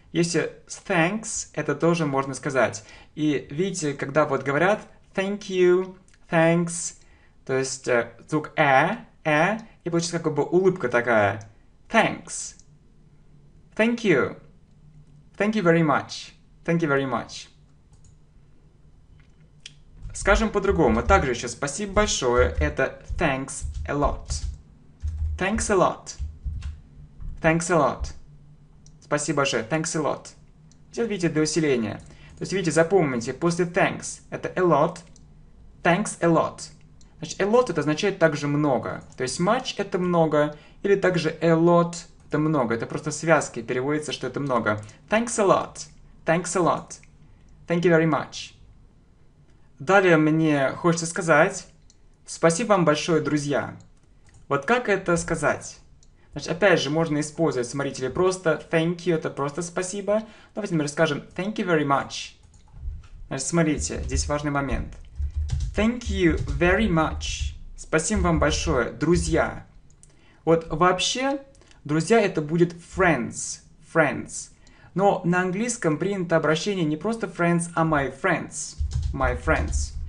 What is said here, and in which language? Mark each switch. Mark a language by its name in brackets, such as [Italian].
[Russian] Если thanks, это тоже можно сказать. И видите, когда вот говорят [English] thank you, thanks, [Russian] то есть звук э, и получится как бы улыбка такая. [English] Thanks. Thank you. Thank you very much. Thank you very much. [Russian] Скажем по-другому. Также еще спасибо большое. [English] Это thanks a lot. Thanks a lot. Thanks a lot. [Russian] Спасибо большое. Thanks a lot. Здесь видите, для усиления. То То есть, видите, запомните, после thanks это a lot, [English] thanks a lot. [Russian] Значит, a lot это означает также много. То есть, much это много, или также a lot это много. Это просто связки, переводится, что это много. [English] Thanks a lot, thanks a lot. Thank you very much. [Russian] Далее мне хочется сказать, спасибо вам большое, друзья. Вот как это сказать? Значит, опять же, можно использовать, смотрите, или просто [English] thank you, [Russian] это просто спасибо. Давайте, например, скажем [English] thank you very much. [Russian] Значит, смотрите, здесь важный момент. [English] Thank you very much. [Russian] Спасибо вам большое, друзья. Вот вообще, друзья, это будет friends, friends. Но на английском принято обращение не просто friends, а [English] my friends, my friends.